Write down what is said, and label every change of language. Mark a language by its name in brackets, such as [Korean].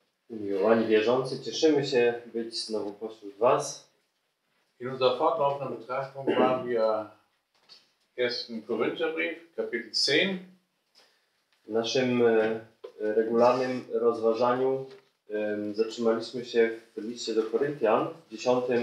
[Polish] Miłowani wierzący, cieszymy się być znowu pośród was. [German] In unserer fortlaufenden Betrachtung waren wir 1. Korintherbrief, Kapitel 10. [Polish] W naszym regularnym rozważaniu zatrzymaliśmy się w liście do Koryntian, w 10.